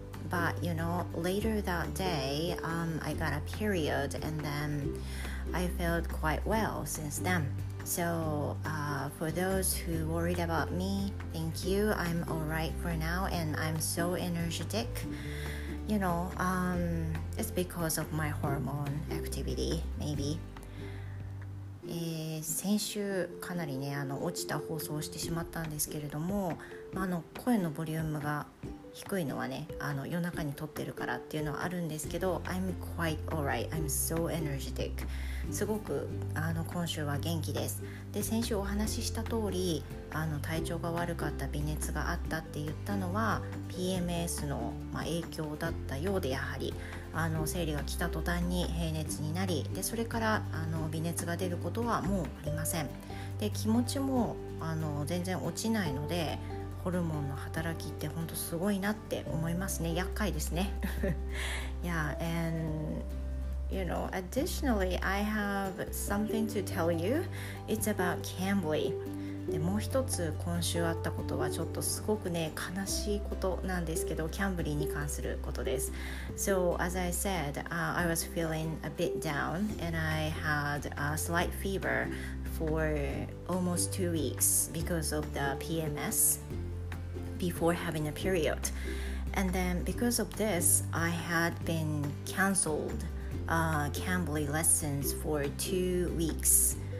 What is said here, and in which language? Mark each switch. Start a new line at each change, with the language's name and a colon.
English: But you know, later that day, I got a period and then I felt quite well since then. So for those who worried about me, thank you. I'm all right for now and I'm so energetic. You know, it's because of my hormone activity, maybe.
Japanese: 先週かなりね落ちた放送をしてしまったんですけれども、声のボリュームが低いのはね夜中に撮ってるからっていうのはあるんですけど
English: I'm quite alright, I'm so energetic
Japanese: すごく今週は元気ですで先週お話しした通り体調が悪かった微熱があったって言ったのは PMS の、影響だったようでやはり生理が来た途端に平熱になりでそれから微熱が出ることはもうありませんで気持ちも全然落ちないのでホルモンの働きって本当すごいなって思いますね厄介ですねYeah,
English: and you know, additionally, I have something to tell you. It's about Cambly.
Japanese: でもう一つ今週あったことはちょっとすごくね悲しいことなんですけど Cambly に関することです
English: So, as I said, I was feeling a bit down and I had a slight feverfor almost 2 weeks because of the PMS before having a period. And then because of this, I had been canceled Cambly lessons for 2 weeks.